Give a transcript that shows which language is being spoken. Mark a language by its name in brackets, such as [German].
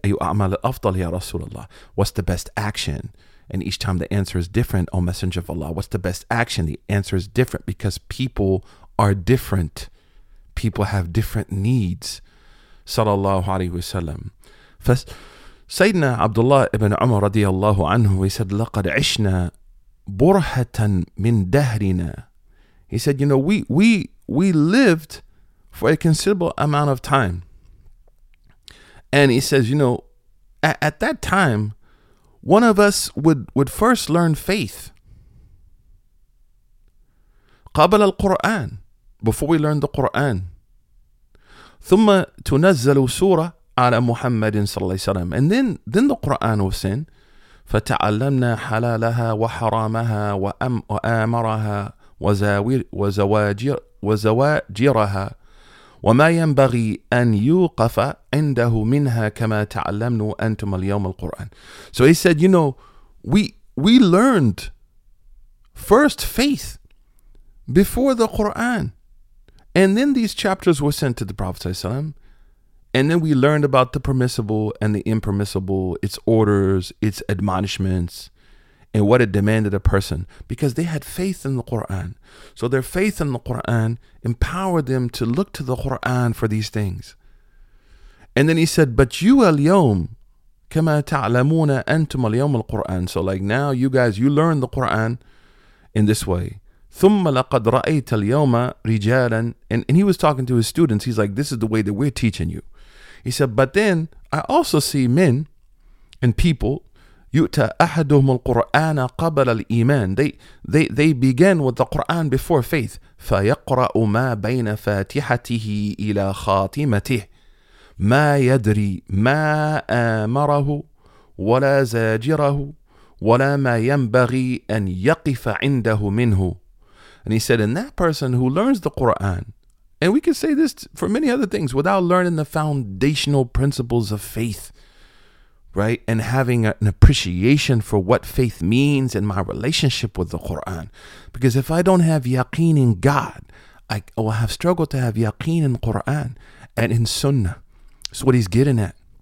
[Arabic] Ayu a'mal al-afdal ya Rasulullah. [English] What's the best action? And each time the answer is different, O Messenger of Allah, what's the best action? The answer is different because people are different. People have different needs. Sallallahu alayhi wa sallam. [Arabic] سيدنا عبد الله بن عمر رضي الله عنه, [English] he said, [Arabic] لقد عشنا برهة من دهرنا. [English] He said, you know, we lived for a considerable amount of time. And he says, you know, at that time, one of us would first learn faith. [Arabic] قبل القرآن, [English] before we learn the Quran. [Arabic] ثم تنزل سورة على محمد صلى الله عليه وسلم. [English] And then the Quran was sent. [Arabic] فتعلمنا حلالها وحرامها وأمرها وزواجرها وما ينبغي أن يوقف عنده منها كما تعلمنا أنتم اليوم القرآن. [English] So he said, you know, we learned first faith before the Quran, and then these chapters were sent to the Prophet sallallahu alaihi wasallam. And then we learned about the permissible and the impermissible, its orders, its admonishments, and what it demanded a person. Because they had faith in the Quran. So their faith in the Quran empowered them to look to the Quran for these things. And then he said, but you al-yawm, [Arabic] كما تعلمون أنتم اليوم القرآن. [English] So like now you guys, you learn the Quran in this way. [Arabic] ثم لقد رأيت اليوم رجالا. [English] And he was talking to his students. He's like, this is the way that we're teaching you. He said, but then I also see men and people, [Arabic] يؤتى أحدهم القرآن قبل الإيمان. [English] They begin with the Quran before faith. [Arabic] فيقرأ ما بين فاتحته إلى خاتمته ما يدري ما آمره ولا زاجره ولا ما ينبغي أن يقف عنده منه. [English] And he said, and that person who learns the Quran, and we can say this for many other things, without learning the foundational principles of faith, right? And having an appreciation for what faith means in my relationship with the Quran. Because if I don't have yaqeen in God, I will have struggled to have yaqeen in Quran and in Sunnah. That's what he's getting at.